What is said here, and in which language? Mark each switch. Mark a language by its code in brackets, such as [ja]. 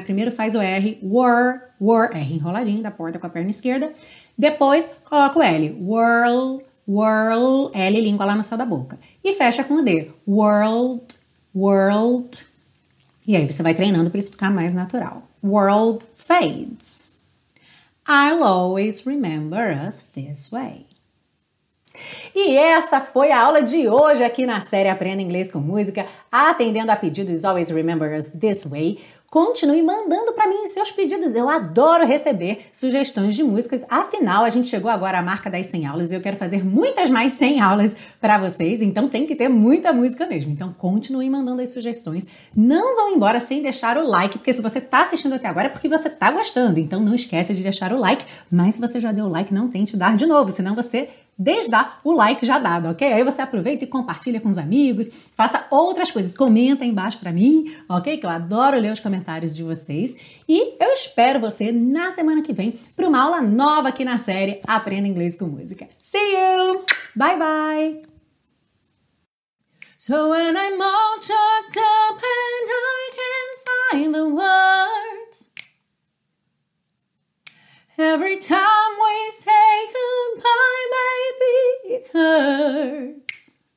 [pt] Primeiro faz o R, R enroladinho da porta com a perna esquerda. Depois coloca o L, world, world, L língua lá no céu da boca. E fecha com o D, world, world. E aí você vai treinando para isso ficar mais natural. [en] World fades. I'll always remember us this way. [pt] E essa foi a aula de hoje aqui na série Aprenda Inglês com Música, atendendo a pedidos Always Remember Us This Way. Continue mandando para mim seus pedidos, eu adoro receber sugestões de músicas. Afinal, a gente chegou agora à marca das 100 aulas e eu quero fazer muitas mais 100 aulas para vocês, então tem que ter muita música mesmo. Então continue mandando as sugestões, não vão embora sem deixar o like, porque se você está assistindo até agora é porque você está gostando, então não esquece de deixar o like, mas se você já deu o like, não tente dar de novo, senão você desdá o like já dado, ok? Aí você aproveita e compartilha com os amigos, faça outras coisas, comenta aí embaixo para mim, ok? Que eu adoro ler os comentários de vocês. E eu espero você na semana que vem para uma aula nova aqui na série Aprenda Inglês com Música. [en] See you! Bye, bye! So when I'm all choked up and I can't find the words, every time we say goodbye, baby, it hurts.